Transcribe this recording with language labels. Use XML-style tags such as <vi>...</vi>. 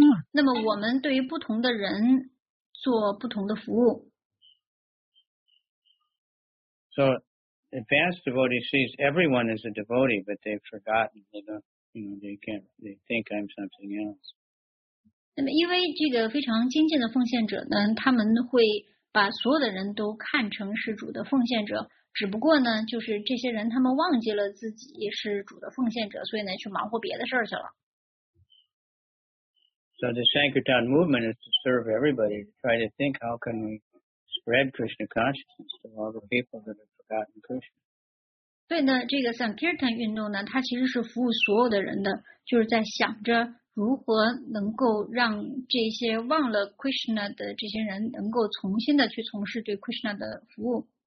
<zh>那么我们对于不同的人做不同的服务。</zh> <en>So, advanced devotee sees everyone as a devotee, but they've forgotten, they don't, you know, they can't, they think I'm something else.</en> <zh>那么因为这个非常精进的奉献者呢，他们会把所有的人都看成是主的奉献者。只不过呢，就是这些人他们忘记了自己是主的奉献者，所以呢去忙活别的事儿去了。</zh> <en>So the Sankirtan movement is to serve everybody, to try to think how can we spread Krishna consciousness to all the people that have forgotten Krishna.</en> <zh>对呢，这个 Sankirtan 运动呢，它其实是服务所有的人的，就是在想着如何能够让这些忘了 Krishna 的这些人能够重新的去从事对 Krishna 的服务。</zh>